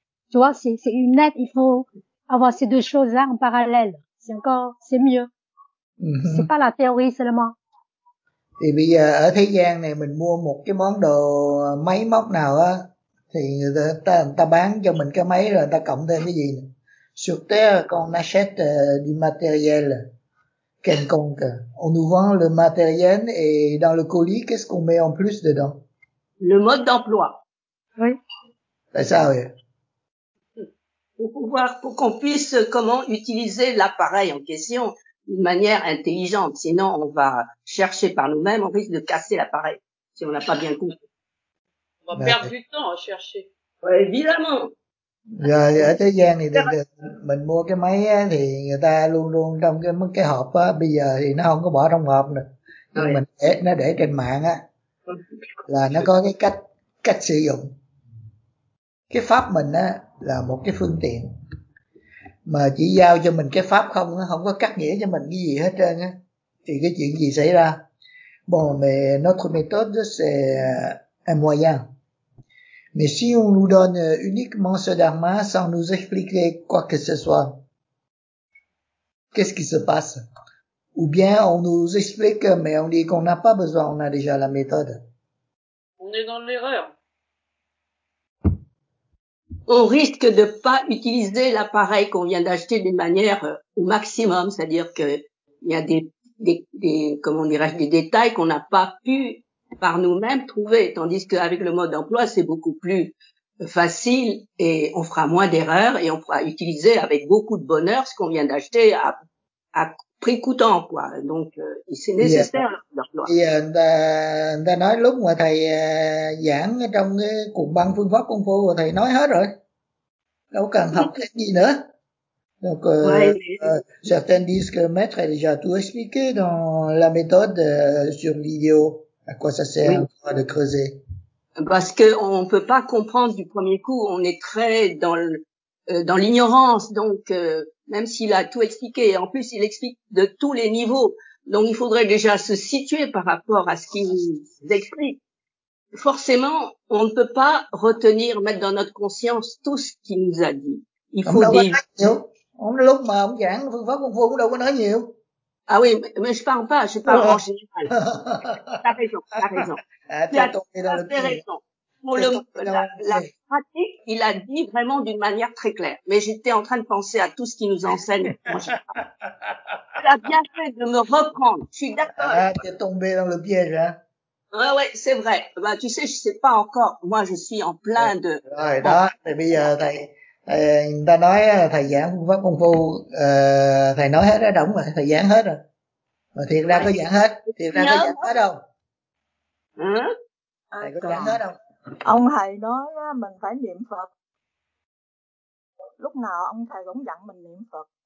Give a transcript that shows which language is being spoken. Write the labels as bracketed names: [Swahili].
[French] Tu vois, c'est une aide. Il faut avoir ces deux choses là en parallèle, c'est mieux. C'est pas la théorie seulement. [Vietnamese] Thì bây giờ ở thế gian này mình mua một cái món đồ máy móc nào á, thì người ta bán cho mình cái máy rồi ta cộng thêm cái gì nữa. [French] Sur Terre, quand on achète du matériel quelconque, on nous vend le matériel et dans le colis, qu'est-ce qu'on met en plus dedans? Le mode d'emploi. Oui. C'est ça, oui. Pour qu'on puisse comment utiliser l'appareil en question d'une manière intelligente. Sinon, on va chercher par nous-mêmes, on risque de casser l'appareil si on n'a pas bien compris. On va perdre du temps à chercher. Ouais, évidemment. [Vietnamese] Rồi ở thế gian thì mình mua cái máy á, thì người ta luôn luôn trong cái hộp á, bây giờ thì nó không có bỏ trong hộp nữa, nhưng mình để trên mạng á, là nó có cái cách sử dụng. Cái pháp mình á là một cái phương tiện, mà chỉ giao cho mình cái pháp không á, không có cắt nghĩa cho mình cái gì hết trơn á, thì cái chuyện gì xảy ra? [French] Bon, mais notre méthode c'est un moyen. Mais si on nous donne uniquement ce dharma sans nous expliquer quoi que ce soit, qu'est-ce qui se passe? Ou bien on nous explique, mais on dit qu'on n'a pas besoin, on a déjà la méthode. On est dans l'erreur. On risque de pas utiliser l'appareil qu'on vient d'acheter d'une manière au maximum, c'est-à-dire qu'il y a des détails qu'on n'a pas pu par nous-mêmes trouver, tandis qu'avec le mode d'emploi, c'est beaucoup plus facile et on fera moins d'erreurs et on pourra utiliser avec beaucoup de bonheur ce qu'on vient d'acheter à prix coûtant, quoi. Donc, c'est nécessaire, l'emploi. [Vietnamese] Người ta nói lúc mà thầy giảng trong cái cuộc băng phương pháp công phu của thầy nói hết rồi. Đâu cần học cái gì nữa. [French] Donc, certains disent que maître a déjà tout expliqué dans la méthode sur l'idéo. À quoi ça sert oui. de creuser? Parce que on peut pas comprendre du premier coup. On est très dans l'ignorance. Donc, même s'il a tout expliqué, en plus, il explique de tous les niveaux. Donc, il faudrait déjà se situer par rapport à ce qu'il explique. Forcément, on ne peut pas retenir, mettre dans notre conscience tout ce qu'il nous a dit. Il faut dire. On ne l'a pas dit. On ne l'a pas dit. Ah oui, mais je parle pas, je parle en général. T'as raison, t'as raison. T'as raison. Pour le, la pratique, il a dit vraiment d'une manière très claire. Mais j'étais en train de penser à tout ce qu'il nous enseigne. Tu as bien fait de me reprendre. Je suis d'accord. Ah, t'es tombé dans le piège, hein. Ouais, ouais, c'est vrai. Bah, tu sais, je sais pas encore. Moi, je suis en plein de. Ouais, là, mais [Vietnamese] bây giờ thầy, anh ta nói thầy giảng cũng pháp công phu, thầy nói hết đó đúng rồi, thầy giảng hết rồi. Mà thiệt ra có giảng hết, thiệt ra có giảng hết đâu. Thầy có giảng hết đâu. Ông thầy nói mình phải niệm Phật. Lúc nào ông thầy cũng dặn mình niệm Phật.